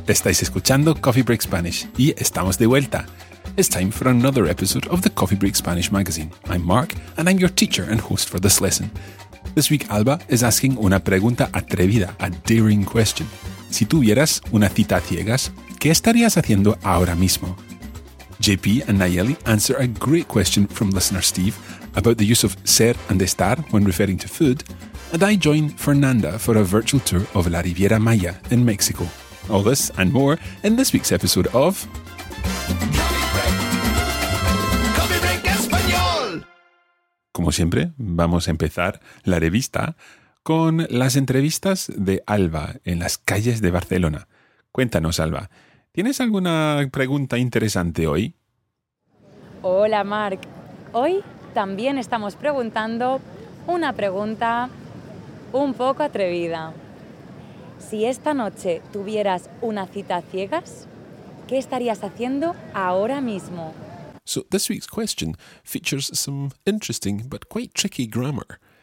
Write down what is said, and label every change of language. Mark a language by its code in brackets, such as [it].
[es] Estáis escuchando Coffee Break Spanish y estamos de vuelta. [en] It's time for another episode of the Coffee Break Spanish magazine. I'm Mark and I'm your teacher and host for this lesson. This week Alba is asking [es] una pregunta atrevida, [en] a daring question. [es] Si tuvieras una cita a ciegas, ¿qué estarías haciendo ahora mismo? [en] JP and Nayeli answer a great question from listener Steve about the use of ser and estar when referring to food, and I join Fernanda for a virtual tour of La Riviera Maya in Mexico. All this and more in this week's episode of Coffee Break Español. [es] Como siempre, vamos a empezar la revista con las entrevistas de Alba en las calles de Barcelona. Cuéntanos, Alba. ¿Tienes alguna pregunta interesante hoy? Hola, Marc. Hoy también estamos preguntando una pregunta un poco atrevida. Si esta noche tuvieras una cita a ciegas, ¿qué estarías haciendo ahora mismo? [en] So this week's question features some interesting but quite tricky grammar.